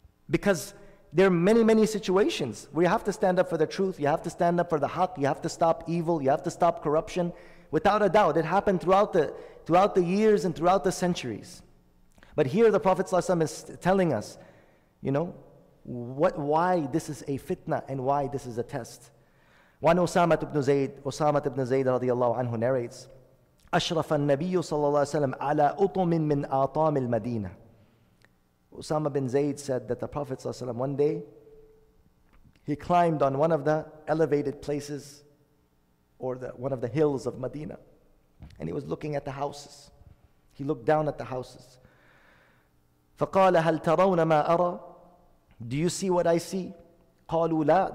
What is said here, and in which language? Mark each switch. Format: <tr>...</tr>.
<en>Because there are many, many situations where you have to stand up for the truth, you have to stand up for the haq, you have to stop evil, you have to stop corruption. Without a doubt, it happened throughout the years and throughout the centuries. But here the Prophet ﷺ is telling us, you know, why this is a fitna and why this is a test. One Usama ibn Zayd radiallahu anhu narrates,</en> <ar>أَشْرَفَ النَّبِيُّ صَلَّى اللَّهُ وَسَلَّمْ عَلَىٰ أُطُمٍ مِّنْ أَعْطَامِ الْمَدِينَةِ.</ar> <en>Usama bin Zayd said that the Prophet ﷺ, one day, he climbed on one of the elevated places or one of the hills of Medina, and he was looking at the houses. He looked down at the houses.</en> <ar>فَقَالَ هَلْ تَرَوْنَ مَا أَرَى.</ar> <en>Do you see what I see?</en> <ar>قَالُوا لَا.</ar>